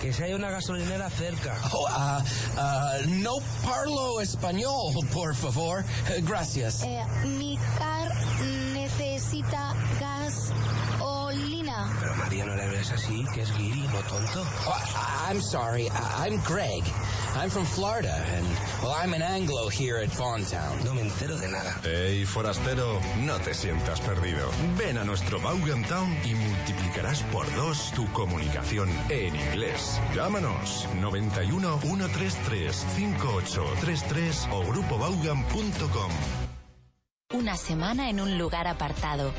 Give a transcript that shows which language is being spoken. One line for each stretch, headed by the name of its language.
Spanish: Que si hay una gasolinera cerca. Oh, no parlo español, por favor. Gracias. Mi car necesita gasolina. Pero María, no le hables así, que es guiri, no tonto.
English: Oh, I'm sorry, I'm Greg. I'm from Florida, and, well, I'm an Anglo here at Vaughn Town.
Spanish: No me entero de nada. Hey, forastero, no te sientas perdido. Ven a nuestro Vaughan Town y multiplicarás por dos tu comunicación en inglés. Llámanos 91-133-5833 o grupovaughan.com. Una semana en un lugar apartado.